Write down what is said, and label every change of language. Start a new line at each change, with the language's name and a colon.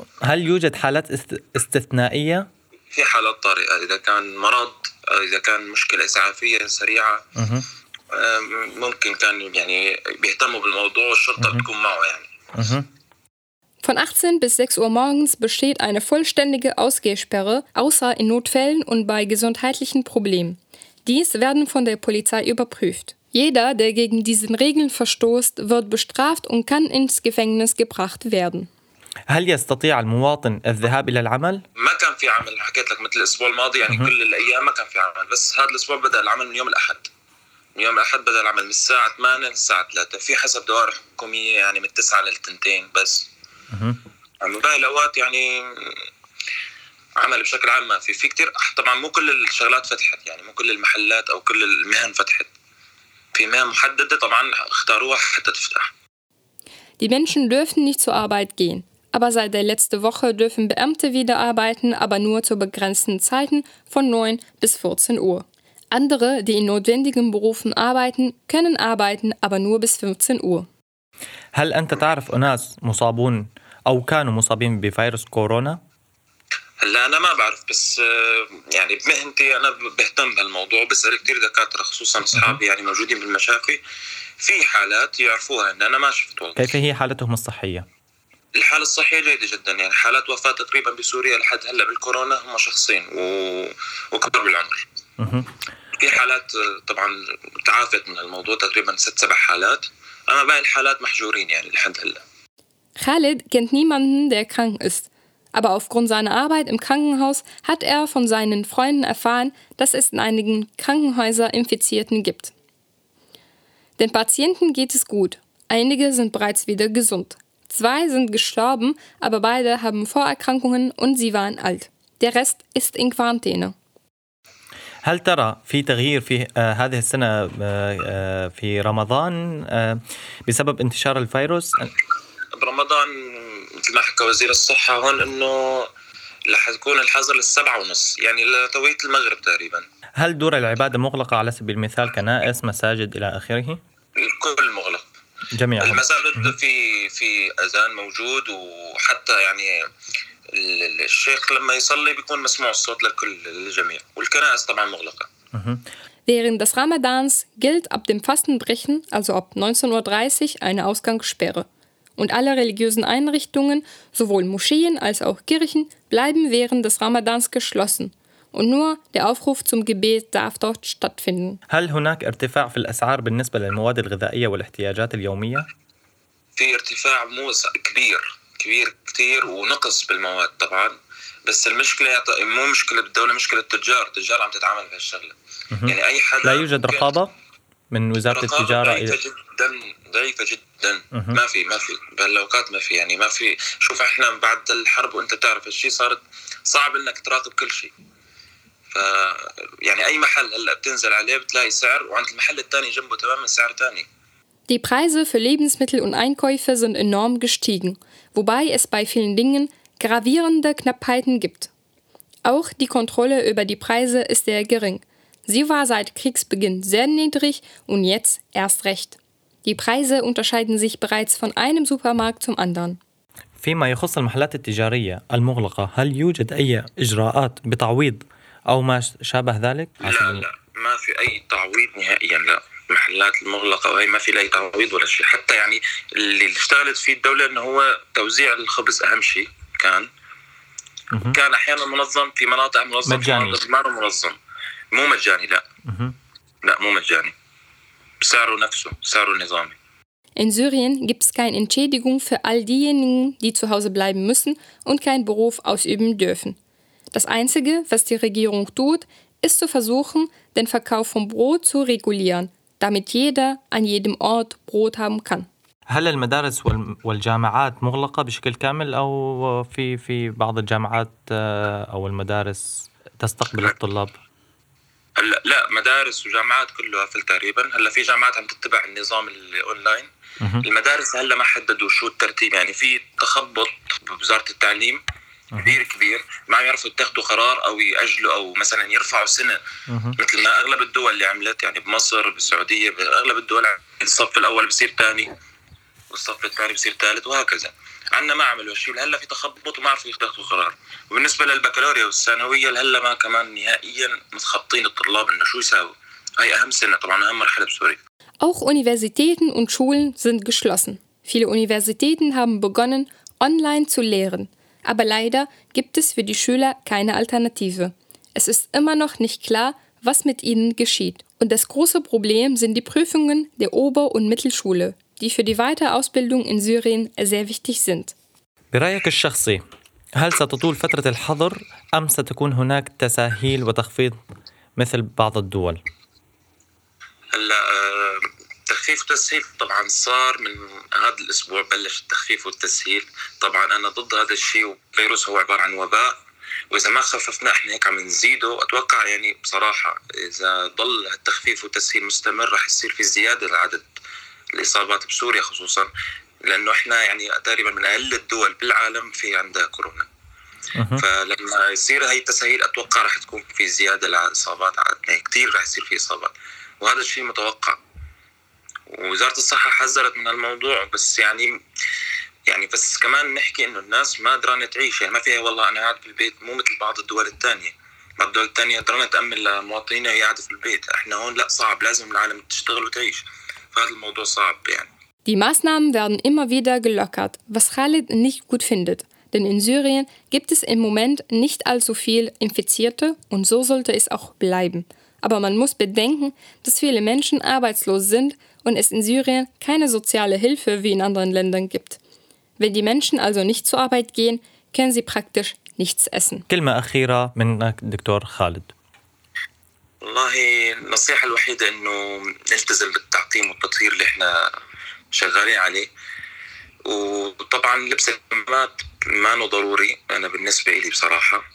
Arabic: هل يوجد حالات استثنائية؟ في حالات طارئة إذا كان مرض، إذا كان مشكلة إسعافية سريعة ممكن كان يعني بيهتموا بالموضوع والشرطة تكون معه يعني.
German: Von 18 bis 6 Uhr morgens besteht eine vollständige Ausgehsperre, außer in Notfällen und bei gesundheitlichen Problemen. Dies werden von der Polizei überprüft. Jeder, der gegen diesen Regeln verstoßt, wird bestraft und kann ins Gefängnis gebracht werden.
Arabic: هل يستطيع المواطن الذهاب إلى العمل؟ ما كان في عمل، حكيت لك مثل الأسبوع الماضي يعني كل الأيام ما كان في عمل، بس هذا الأسبوع بدأ العمل من يوم الأحد. من يوم الأحد بدأ العمل من الساعة 8 للساعة 3 في حسب دوائر حكومية يعني من 9 للتنتين بس. من باقي الأوقات يعني عمل بشكل عام ما في، في كتير طبعا مو كل الشغلات فتحت يعني مو كل المحلات أو كل المهن فتحت، في مهن محددة طبعا اختاروها حتى تفتح.
German: Die Menschen dürfen nicht zur Arbeit gehen, aber seit der letzte Woche dürfen Beamte wieder arbeiten, aber nur zu begrenzten Zeiten von 9 bis 14 Uhr. Andere, die in notwendigen Berufen arbeiten, können arbeiten, aber nur bis 15 Uhr.
Arabic: هل أنت تعرف أناس مصابون أو كانوا مصابين بفيروس كورونا؟ هلا أنا ما بعرف، بس يعني بمهنتي أنا بهتم بهالموضوع، بسأل كتير دكاترة خصوصا أصحابي يعني موجودين بالمشافي، في حالات يعرفوها إن أنا ما شفت والله. كيف هي حالتهم الصحية؟ الحالة الصحية جيدة جدا يعني، حالات وفاة تقريبا بسوريا لحد هلا بالكورونا هم شخصين وكبر بالعمر. في حالات طبعا تعافت من الموضوع تقريبا 6-7 حالات، أما باقي الحالات محجورين يعني لحد هلا.
German: خالد kennt niemanden der krank ist. Aber aufgrund seiner Arbeit im Krankenhaus hat er von seinen Freunden erfahren, dass es in einigen Krankenhäusern Infizierten gibt. Den Patienten geht es gut. Einige sind bereits wieder gesund. Zwei sind gestorben, aber beide haben Vorerkrankungen und sie waren alt. Der Rest ist in Quarantäne.
Arabic: هل ترى في تغيير في هذه السنة في رمضان بسبب انتشار الفيروس؟ برمضان مثل ما حكى وزير الصحة هون إنه رح يكون الحظر للسبعة ونص يعني لتوقيت المغرب تقريبا. هل دور العبادة مغلقة على سبيل المثال كنائس مساجد إلى آخره؟ الكل مغلق جميعا، المساجد في أذان موجود، وحتى يعني الشيخ لما يصلي بيكون مسموع الصوت لكل الجميع، والكنائس طبعا مغلقة.
German: Während des Ramadans gilt ab dem Fastenbrechen also ab 19.30 Uhr eine Ausgangssperre. Und alle religiösen Einrichtungen, sowohl Moscheen als auch Kirchen, bleiben während des Ramadans geschlossen. Und nur der Aufruf zum Gebet darf dort stattfinden.
Arabic: هل هناك ارتفاع في الأسعار بالنسبة للمواد الغذائية والاحتياجات اليومية؟ في ارتفاع مو كبير، كبير كتير ونقص بالمواد طبعا. بس المشكلة مو مشكلة بالدولة، مشكلة التجار، التجار عم تتعامل في هالشغلة. يعني أي حدا لا يوجد رقابة من وزارة التجارة. ضعيفة جدا. ما في بهالأوقات ما في يعني ما في. شوف احنا بعد الحرب وانت تعرف الشيء صارت صعب انك تراقب كل شيء، ف يعني اي محل هلا بتنزل عليه بتلاقي سعر وعند المحل الثاني جنبه تماما سعر ثاني.
German: Die Preise für Lebensmittel und Einkäufe sind enorm gestiegen, wobei es bei vielen Dingen gravierende Knappheiten gibt. Auch die Kontrolle über die Preise ist sehr gering. Sie war seit Kriegsbeginn sehr niedrig und jetzt erst recht. Die Preise unterscheiden sich bereits von einem Supermarkt zum anderen.
Arabic: فيما يخص المحلات التجارية المغلقة، هل يوجد أي إجراءات بتعويض أو ما شابه ذلك؟ لا لا، ما في أي تعويض نهائياً. لا، المحلات المغلقة هاي ما في أي تعويض ولا شيء. حتى يعني اللي اشتغلت فيه الدولة إنه هو توزيع الخبز أهم شيء كان. كان أحياناً منظم في مناطق منظمة. مجاني. ما هو منظم. مو مجاني لا. لا مو مجاني. سعره نفسه، سعره نظامي.
German: In Syrien gibt es keine Entschädigung für all diejenigen, die zu Hause bleiben müssen und keinen Beruf ausüben dürfen. Das Einzige, was die Regierung tut, ist zu versuchen, den Verkauf von Brot zu regulieren, damit jeder an jedem Ort Brot haben kann.
Arabic: هل المدارس والجامعات مغلقة بشكل كامل أو في بعض الجامعات أو المدارس تستقبل الطلاب؟ لا مدارس وجامعات كلها قفل تقريبا هلا في جامعات عم تتبع النظام الاونلاين المدارس هلا ما حددوا شو الترتيب يعني في تخبط بوزارة التعليم كبير كبير ما يعرفوا يتخذوا قرار او ياجلوا او مثلا يرفعوا سنه مثل ما اغلب الدول اللي عملت يعني بمصر بالسعوديه باغلب الدول الصف الاول بصير ثاني والصف الثاني بصير ثالث وهكذا عندنا ما عملوا شيء هلا في تخبط وما عرفوا يتخذوا قرار وبالنسبه للبكالوريا والثانويه هلا ما كمان نهائيا متخبطين الطلاب انه شو يساوي هاي اهم سنه طبعا اهم مرحله بسوريا
German: Auch Universitäten und Schulen sind geschlossen. Viele Universitäten haben begonnen, online zu lehren. Aber leider gibt es für die Schüler keine Alternative. Es ist immer noch nicht klar, was mit ihnen geschieht. Und das große Problem sind die Prüfungen der Ober- und Mittelschule, die für die Weiterausbildung in Syrien sehr wichtig sind.
Arabic: برأيك الشخصي، هل ستطول فترة الحظر أم ستكون هناك تسهيل وتخفيض مثل بعض الدول؟ هلا تخفيف وتسهيل طبعا صار من هذا الاسبوع بلش التخفيف والتسهيل طبعا انا ضد هذا الشيء والفيروس هو عباره عن وباء واذا ما خففنا احنا هيك عم نزيده اتوقع يعني بصراحه اذا ضل التخفيف والتسهيل مستمر راح يصير في زياده لعدد الاصابات بسوريا خصوصا لانه احنا يعني تقريبا من اقل الدول بالعالم في عندها كورونا فلما يصير هاي التسهيل اتوقع راح تكون في زياده لاصابات عندنا كثير راح يصير في اصابات وهذا الشيء متوقع وزارة الصحة حذرت من الموضوع بس يعني بس كمان نحكي إنه الناس ما دران تعيش يعني ما فيها والله أنا قاعد في البيت مو مثل بعض الدول الثانية بعض الدول الثانية دران تأمن لمواطنيها قاعدة في البيت إحنا هون لا صعب لازم العالم تشتغل وتعيش فهذا الموضوع صعب يعني.
German: Die Maßnahmen werden immer wieder gelockert, was Khalid nicht gut findet, denn in Syrien gibt es im Moment nicht allzu viel Infizierte und so sollte es auch bleiben. Aber man muss bedenken, dass viele Menschen arbeitslos sind und es in Syrien keine soziale Hilfe wie in anderen Ländern gibt. Wenn die Menschen also nicht zur Arbeit gehen, können sie praktisch nichts essen.
Arabic: كلمة أخيرة من دكتور خالد. والله النصيحة الوحيدة إنه نلتزم بالتعقيم والتطهير اللي إحنا شغالين عليه. وطبعا لبس الكمامات ما هو ضروري أنا بالنسبة لي بصراحة.